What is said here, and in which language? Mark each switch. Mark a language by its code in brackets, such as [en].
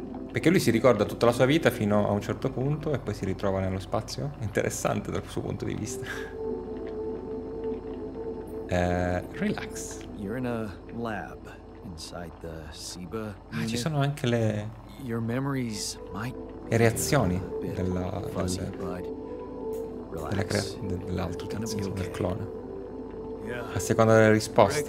[it] Perché lui si ricorda tutta la sua vita fino a un certo punto e poi si ritrova nello spazio. Interessante dal suo punto di vista. [en] Relax. You're in a lab inside the SIBA. [it] Ah, ci sono anche le [en] your memories might [it] le reazioni dell'altro tizio, del clone. [en] Yeah. [it] A seconda delle risposte.